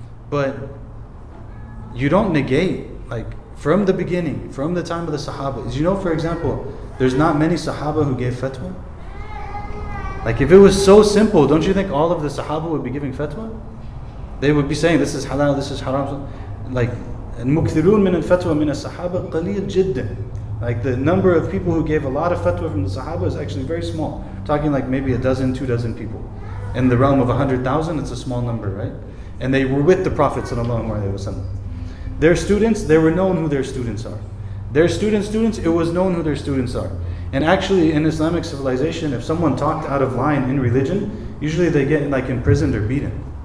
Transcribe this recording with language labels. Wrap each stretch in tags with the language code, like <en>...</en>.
<en>But you don't negate, like, from the beginning, from the time of the Sahaba. You know, for example, there's not many Sahaba who gave fatwa. Like, if it was so simple, don't you think all of the Sahaba would be giving fatwa? They would be saying, this is halal, this is haram.</en> <ar>Like, المكثرون من الفتوى من الصحابة قليل جدا.</ar> <en>Like, the number of people who gave a lot of fatwa from the Sahaba is actually very small. I'm talking like maybe a dozen, 2 dozen people. In the realm of 100,000, it's a small number, right? And they were with the Prophet sallallahu alayhi wa sallam. Their students, they were known who their students are. Their students, it was known who their students are. And actually, in Islamic civilization, if someone talked out of line in religion, usually they get like imprisoned or beaten.</en>